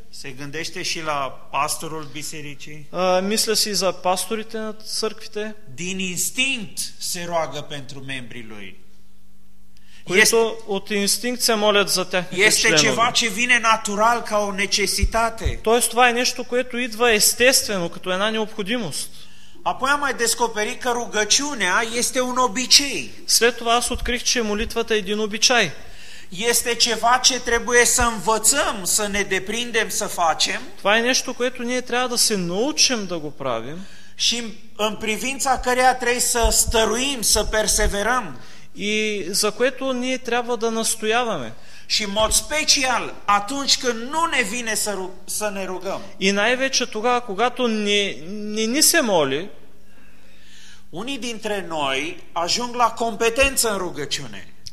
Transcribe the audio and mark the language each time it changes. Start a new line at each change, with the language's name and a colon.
Romanian: Се гândește și la пасторul бисерицей.
Bulgarian: Мисля си за пасторите на църквите.
Romanian: Din instinct se roagă pentru membrii lui.
Bulgarian: Които от инстинкт се молят за техните членове.
Romanian: Este ceva ce vine natural ca o necesitate.
Bulgarian: Тоест това е нещо, което идва естествено, като една необходимост.
Romanian: Apoi am mai descoperit că rugăciunea este un obicei.
Bulgarian: След това аз открих, че молитвата е един обичай.
Romanian: Este ceva ce trebuie să învățăm, să ne deprindem, să facem.
Bulgarian: Това е нещо, което ние трябва да се научим да го правим.
Romanian: Și în privința căreia trebuie să stăruim, să perseverăm.
Bulgarian: И за което ние трябва да настояваме.
Romanian: Și în mod special, atunci când nu ne vine să ne rugăm.
Bulgarian: И най-вече тогава, когато ни се моли,
Romanian: unii dintre noi ajung la competență în rugăciune.